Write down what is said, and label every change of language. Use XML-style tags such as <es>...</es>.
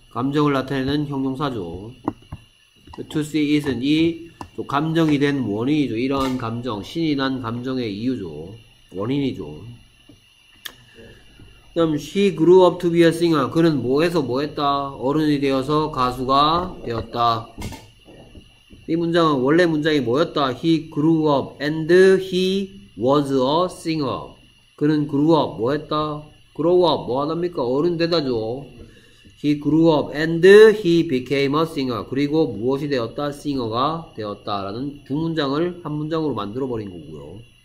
<ko>감정을 나타내는 형용사죠.</ko> <en>To see it</en> <ko>은 이 감정이 된 원인이죠. 이런 감정, 신이 난 감정의 이유죠. 원인이죠. 그럼</ko> <en>she grew up to be a singer.</en> <ko>그는 뭐해서 뭐했다? 어른이 되어서 가수가 되었다. 이 문장은 원래 문장이 뭐였다?</ko> <en>He grew up and he was a singer.</en> <ko>그는 grew up 뭐했다? grow up 뭐하답니까? 어른 되다죠.</ko> <en>He grew up and he became a singer.</en> <ko>그리고 무엇이 되었다? singer가 되었다. 라는 두 문장을 한 문장으로 만들어버린 거고요.</ko>